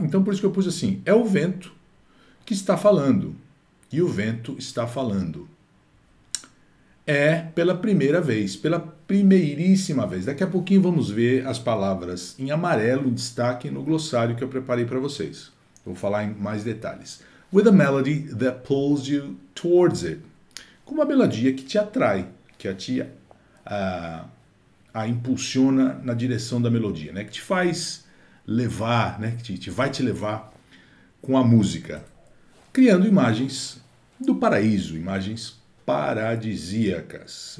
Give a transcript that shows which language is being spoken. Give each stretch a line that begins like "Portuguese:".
Portuguese: Então por isso que eu pus assim: é o vento que está falando, e o vento está falando. Pela primeira vez, pela primeiríssima vez. Daqui a pouquinho vamos ver as palavras em amarelo, destaque no glossário que eu preparei para vocês. Vou falar em mais detalhes.
English: With a melody that pulls you towards it.
Portuguese: Com uma melodia que te atrai, que a tia a impulsiona na direção da melodia, né? Que te faz levar, né? Que vai te levar com a música, criando imagens do paraíso, imagens paradisíacas.